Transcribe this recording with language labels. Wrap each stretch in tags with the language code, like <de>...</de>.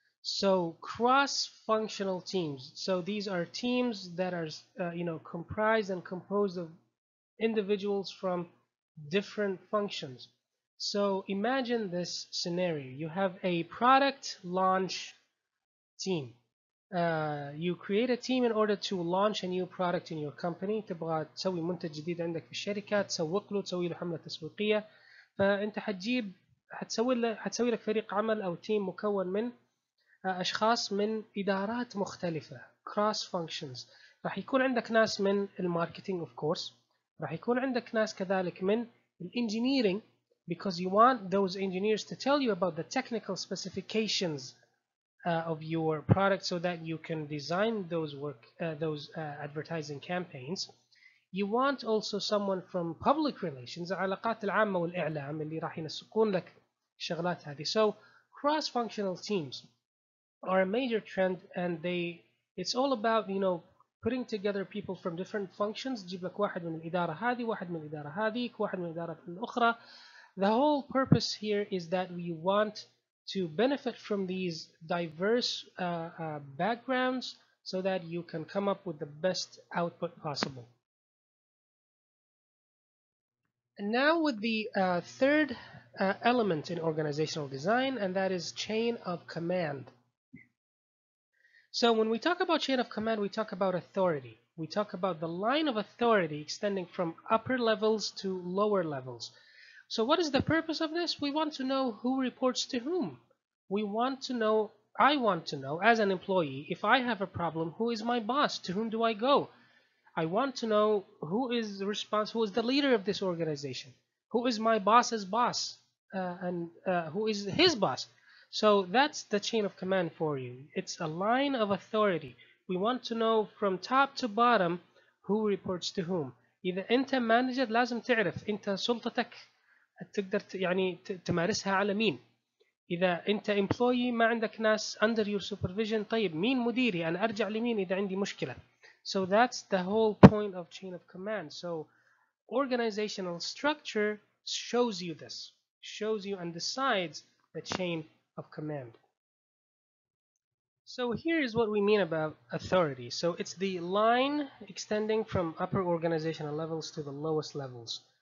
<en>So cross-functional teams. So these are teams that are comprised and composed of individuals from different functions. So imagine this scenario. You have a product launch team. You create a team in order to launch a new product in your company.</en> <ar>تبغى تسوي منتج جديد عندك في الشركة، تسوق له، تسوي له حملة تسويقية. فأنت هتجيب هتسوي له هتسوي لك فريق عمل أو تيم مكون من أشخاص من إدارات مختلفة cross functions. راح يكون عندك ناس من الماركتينج</ar> <en>of course،</en> <ar>راح يكون عندك ناس كذلك من الإنجينيرينج</ar> <en>because you want those engineers to tell you about the technical specifications of your product so that you can design those work those advertising campaigns. You want also someone from public relations</en> <ar>العلاقات العامة والإعلام اللي راح ينسقون لك الشغلات هذه.</ar> <en>So cross functional teams are a major trend and it's all about putting together people from different functions.</en> <ar>تجيب لك واحد من الإدارة هذه، واحد من الإدارة هذيك، واحد من الإدارة الأخرى.</ar> <en>The whole purpose here is that we want to benefit from these diverse backgrounds so that you can come up with the best output possible. And now with the third element in organizational design, and that is chain of command. So when we talk about chain of command, we talk about authority. We talk about the line of authority extending from upper levels to lower levels. So what is the purpose of this? We want to know who reports to whom. We want to know, I want to know as an employee, if I have a problem, who is my boss? To whom do I go? I want to know who is the response, who is the leader of this organization? Who is my boss's boss? Who is his boss? So that's the chain of command for you. It's a line of authority. We want to know from top to bottom who reports to whom.</en> <ar>إذا أنت manager لازم تعرف أنت سلطتك تقدر يعني تمارسها على مين. إذا أنت employee ما عندك ناس</ar> <en>under your supervision،</en> <ar>طيب مين مديري؟ أنا أرجع لمين إذا عندي مشكلة؟</ar> <en>So that's the whole point of chain of command. So organizational structure shows you this, shows you and decides the chain of command. So here is what we mean about authority. So it's the line extending from upper organizational levels to the lowest levels.</en>